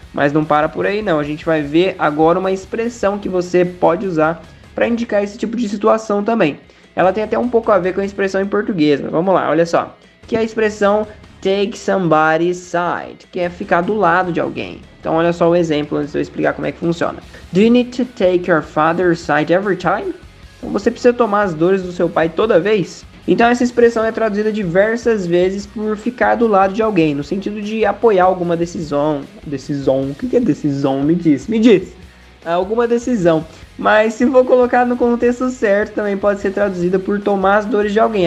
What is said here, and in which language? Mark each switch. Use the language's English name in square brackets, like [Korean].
[Portuguese] Mas não para por aí não, a gente vai ver agora uma expressão que você pode usar para indicar esse tipo de situação também. Ela tem até um pouco a ver com a expressão em português, mas vamos lá, olha só. Que é a expressão [English] take somebody's side, [Portuguese] que é ficar do lado de alguém. Então olha só o exemplo antes de eu explicar como é que funciona. [English] Do you need to take your father's side every time? [Portuguese] Então, você precisa tomar as dores do seu pai toda vez? Então essa expressão é traduzida diversas vezes por ficar do lado de alguém, no sentido de apoiar alguma decisão. Decisão? O que é decisão? Me diz. alguma decisão. Mas se for colocado no contexto certo, também pode ser traduzida por tomar as dores de alguém.